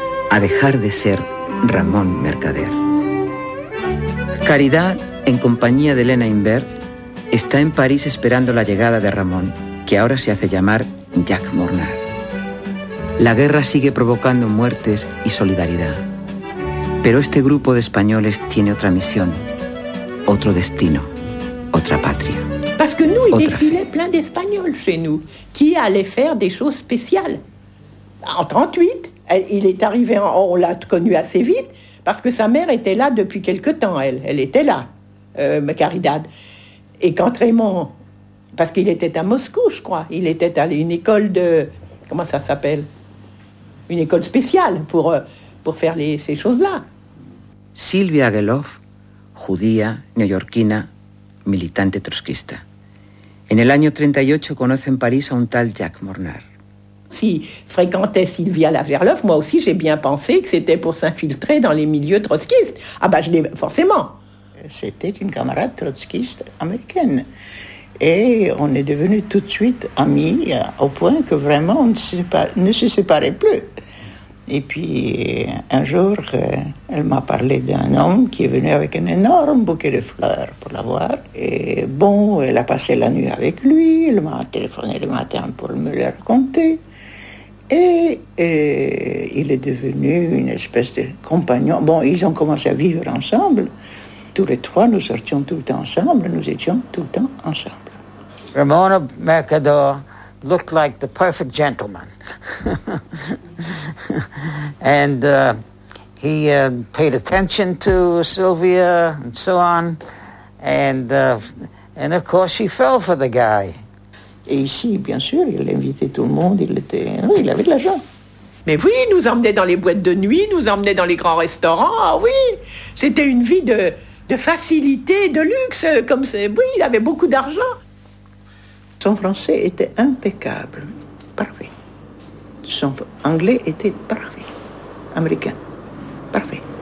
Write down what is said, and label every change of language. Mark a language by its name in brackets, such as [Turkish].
[Spanish] A dejar de ser Ramón Mercader. Caridad, en compañía de Elena Imbert, está en París esperando la llegada de Ramón, que ahora se hace llamar Jack Mornar. La guerra sigue provocando muertes y solidaridad. Pero este grupo de españoles tiene otra misión, otro destino, otra patria. [French] Parce que nous, il défilait plein d'Espagnols chez nous, qui allaient faire des choses spéciales. En 38, il est arrivé, on l'a connu assez vite, parce que sa mère était là depuis quelque temps, elle était là, Caridad. Et quand Raymond, parce qu'il était à Moscou, je crois, il était allé à une école de, comment ça s'appelle ? Une école spéciale pour faire ces choses-là. [Spanish] Sylvia Ageloff, judía, neoyorquina, militante trotskista. En el año 38 conoce en París a un tal Jack Mornar. [French] Si fréquentait Sylvia Ageloff, moi aussi j'ai bien pensé que c'était pour s'infiltrer dans les milieux trotskistes. Ah ben, je l'ai forcément. C'était une camarade trotskiste américaine. Et on est devenus tout de suite amis, au point que vraiment on ne se séparait plus. Et puis, un jour, elle m'a parlé d'un homme qui est venu avec un énorme bouquet de fleurs pour la voir. Et bon, elle a passé la nuit avec lui, elle m'a téléphoné le matin pour me le raconter. Et il est devenu une espèce de compagnon. Bon, ils ont commencé à vivre ensemble. Tous les trois, nous sortions tout le temps ensemble, nous étions tout le temps ensemble. [English] Ramona Mercador looked like the perfect gentleman. And he paid attention to Sylvia and so on. And of course, she fell for the guy. [French] Et ici, bien sûr, il invitait tout le monde. Il avait de l'argent. Mais oui, nous emmenait dans les boîtes de nuit, nous emmenait dans les grands restaurants. Ah oui, c'était une vie de facilité, de luxe. Comme c'est, oui, il avait beaucoup d'argent. Son français était impeccable, parfait. Son anglais était parfait, américain, parfait.